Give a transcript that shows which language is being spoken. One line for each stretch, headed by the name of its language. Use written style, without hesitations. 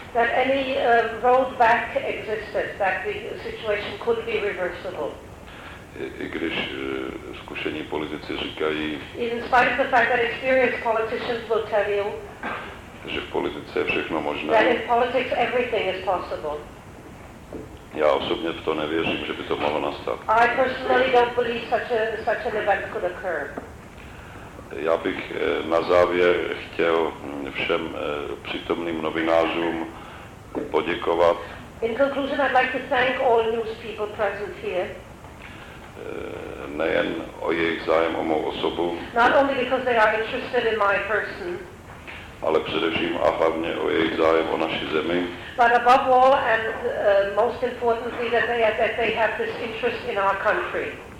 English: that any road back existed, that the situation could be reversible.
Czech: I když zkušení politici říkají,
English: in spite of the fact that experienced politicians will tell you,
Czech: že v politice je všechno možné,
English: that in politics everything is possible.
Czech: Já osobně v to nevěřím, že by to mohlo nastat.
English: I personally don't believe such an event could occur.
Czech: Já bych na závěr chtěl všem přítomným novinářům poděkovat.
English: In conclusion, I'd like to thank all news people present here.
Czech: Nejen o jejich zájem o mou osobu,
English: not only because they are interested in my person,
Czech: ale především a hlavně o jejich zájem o naši zemi,
English: but above all and most importantly that they have this interest in our country.